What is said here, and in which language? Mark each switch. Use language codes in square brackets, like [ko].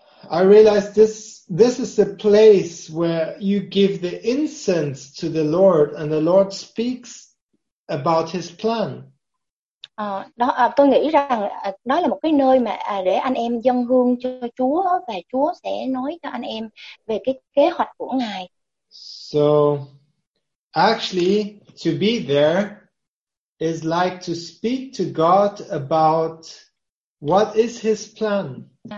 [en] I realize this is the place where you give the incense to the Lord and the Lord speaks about his plan. [vi] Tôi nghĩ rằng đó là một cái nơi mà để anh em dâng hương cho Chúa và Chúa sẽ nói cho anh em về cái kế hoạch của Ngài. [en] So actually to be there is like to speak to God about what is his plan.